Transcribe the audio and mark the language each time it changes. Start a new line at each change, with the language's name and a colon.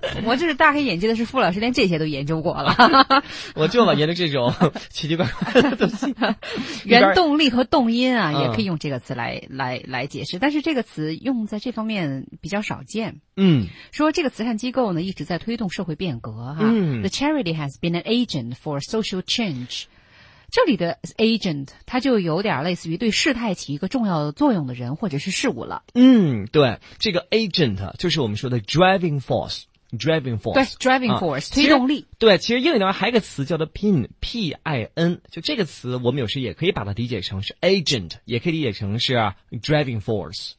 Chinese: 我就是大开眼界的是傅老师，连这些都研究过了。我就老研究这种奇奇怪怪的东西。原动力和动因啊，也可以用这个词来解释，但是这个词用在这方面比较少见。说这个慈善机构呢一直在推动社会变革哈。
English: The charity has been an agent for social change.
Chinese: 这里的 agent, 它就有点类似于对事态起一个重要作用的人或者是事物了。对，这个 agent 就是我们说的
English: driving force。Driving force，
Chinese: 对 ，driving force，、推动力。对，其实英语里面还有一个词叫做 pin， 就这个词，我们有时也可以把它理解成是 agent， 也可以理解成是 driving force。